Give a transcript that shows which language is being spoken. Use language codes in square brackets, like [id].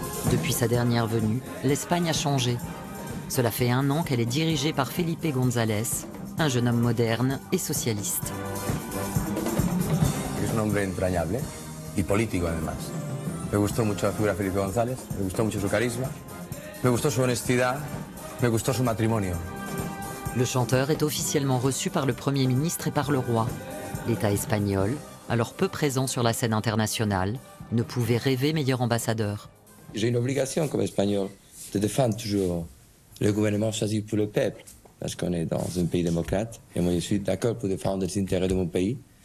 [fr] Depuis sa dernière venue, l'Espagne a changé. Cela fait un an qu'elle est dirigée par Felipe González, un jeune homme moderne et socialiste. [es] Es un hombre entrañable y político además. Me gustó mucho la figura de Felipe González, me gustó mucho su carisma, me gustó su honestidad, me gustó su matrimonio. [fr] Le chanteur est officiellement reçu par le Premier ministre et par le roi. L'État espagnol, alors peu présent sur la scène internationale, ne pouvait rêver meilleur ambassadeur. J'ai une obligation comme espagnol de défendre toujours le gouvernement choisi pour le peuple. Parce qu'on est dans un pays démocrate et moi je suis d'accord pour défendre les intérêts de mon pays.